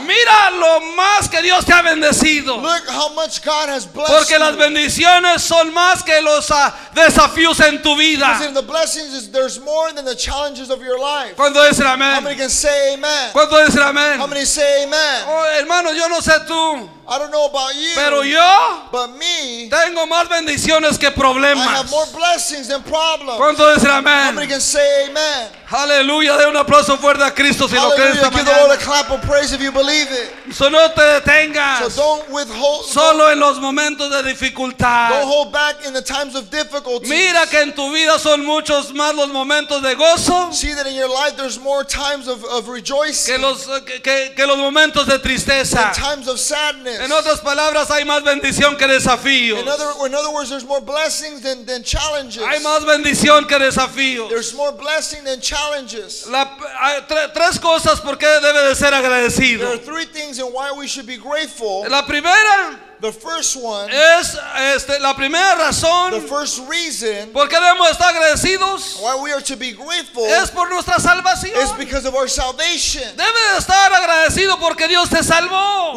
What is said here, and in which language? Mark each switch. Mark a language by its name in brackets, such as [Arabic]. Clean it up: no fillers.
[Spanish] Mira lo más que Dios te ha bendecido. [English] Look how much God has blessed. [Spanish] Porque las bendiciones son más que los desafíos en tu vida. [English] Because in the blessings is there's more than the challenges of your life. [Spanish] ¿Cuánto dicen amén? [English] How many can say amen? [Spanish] ¿Cuánto dicen amén? [English] How many say amen? [Spanish] Oh, hermano, yo no sé tú. [English] I don't know about you, [Spanish] pero yo, [English] but me, [Spanish] tengo más bendiciones que problemas. [English] I have more blessings than problems. [Spanish] ¿Cuánto dicen amén? [English] How many can say amen? [Spanish] Aleluya, dé un aplauso fuerte a Cristo si [English] Hallelujah. [Spanish] Lo crees. [English] Give the Lord a clap of praise if you believe it. [Spanish] So no te detengas. [English] So don't withhold. [Spanish] Solo en los momentos de dificultad. [English] Don't hold back in the times of difficulty. [Spanish] Mira que en tu vida son muchos más los momentos de gozo. [English] See that in your life there's more times of rejoicing. [Spanish] Que los momentos de tristeza. [English] Than times of sadness. [Spanish] En otras palabras, hay más bendición que desafíos. [English] In other words, there's more blessings than challenges. [Spanish] Hay más bendición que desafíos. [English] There's more blessing than challenges. [Spanish] Tres cosas por qué debe de ser agradecido. [English] There are three things in why we should be grateful. [Spanish] La primera. [English] The first one. [Spanish] Es la primera razón. [English] The first reason. [Spanish] Por qué debemos estar agradecidos. [English] Why we are to be grateful. [Spanish] Es por nuestra salvación. [English] It's because of our salvation. [Spanish] Debes estar agradecido porque Dios te salvó.